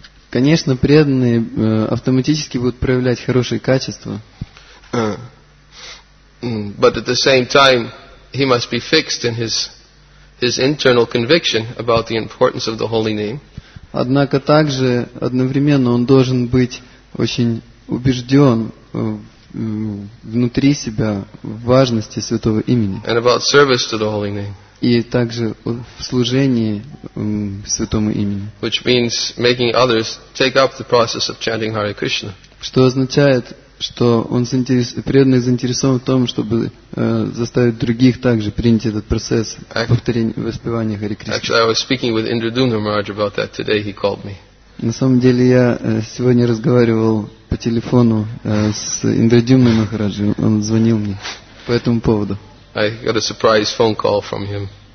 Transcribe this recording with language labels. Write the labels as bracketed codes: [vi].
[ru] Конечно, преданные автоматически будут проявлять хорошие качества. [en] But at the same time, he must be fixed in his internal conviction about the importance of the holy name. [ru] Однако также одновременно он должен быть очень убежден внутри себя важности святого имени. [en] And about service to the holy name. [ru] И также в служении святому имени. [en] Which means making others take up the process of chanting Hare Krishna. [ru] Что означает, что он преданный заинтересован в том, чтобы заставить других также принять этот процесс повторения воспевания Hare Krishna. [en] Actually, I was speaking with Indradumna Maharaj about that today. He called me. [ru] На самом деле я сегодня разговаривал по телефону с Индрадюмной Махараджи. Он звонил мне по этому поводу. [en] I got a surprise phone call from him.